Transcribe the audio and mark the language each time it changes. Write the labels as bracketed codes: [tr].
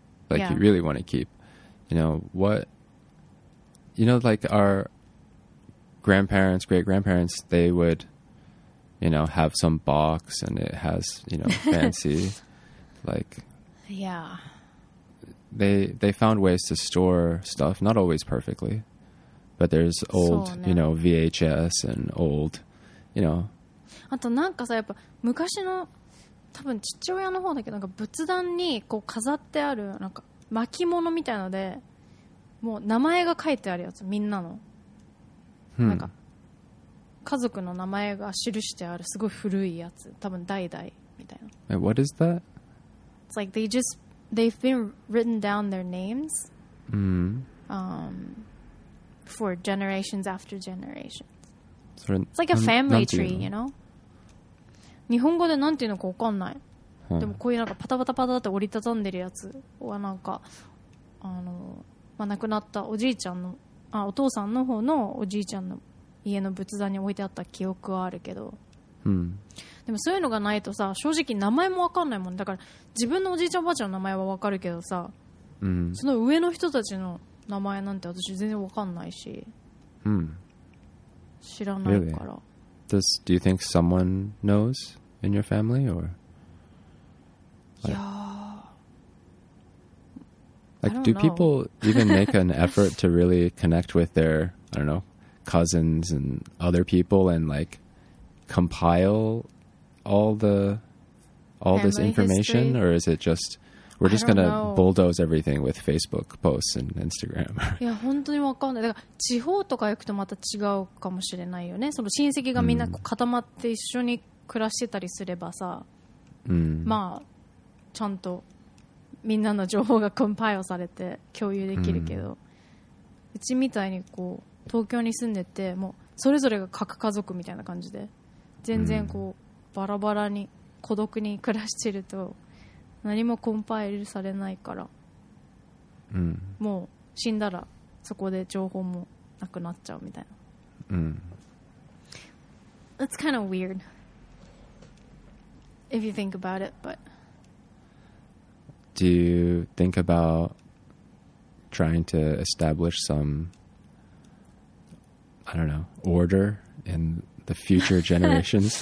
[en] Like, yeah. You really want to keep, you know, what, you know, like our grandparents, great grandparents, they would, you know, have some box and it has, you know, fancy, like, yeah, they found ways to store stuff, not always perfectly, but there's old, so, you know, VHS and old, you know. [ja] あとなんかさ、やっぱ昔の多分父親の方だけど、なんか仏壇にこう飾ってあるなんか巻物みたいので、もう名前が書いてあるやつ、みんなの、なんか家族の名前が記してあるすごい古いやつ、多分代々みたいな。 [en] Wait, what is that? It's like they've been written down their names、for generations after generations. [ja] それ、 [en] It's like a family tree, you know? [ja] 日本語でなんていうのか分かんない。でもこういうなんかパタパタパタって折りたたんでるやつはなんか、まあ、亡くなったおじいちゃんの、あ、お父さんの方のおじいちゃんの家の仏壇に置いてあった記憶はあるけど、でもそういうのがないとさ、正直名前も分かんないもん。だから自分のおじいちゃんおばあちゃんの名前は分かるけどさ、その上の人たちの名前なんて私全然分かんないし、知らないから。 [en] Really? Do you think someone knows in your family or? Like, do people even make an effort to really connect with their, I don't know, cousins and other people and like compile all this information? Or is it just, we're just gonna bulldoze everything with Facebook posts and Instagram? [ja] いや、本当に分かんない。だから地方とか行くとまた違うかもしれないよね。その親戚がみんな固まって一緒に暮らしてたりすればさ、まあちゃんとみんなの情報がコンパイルされて共有できるけど、うちみたいにこう東京に住んでて、もうそれぞれが各家族みたいな感じで全然こう、うん、バラバラに孤独に暮らしてると何もコンパイルされないから、うん、もう死んだらそこで情報もなくなっちゃうみたいな、うん、 [en] That's kind of weird if you think about it, but Do you think about trying to establish some I don't know, order in the future generations?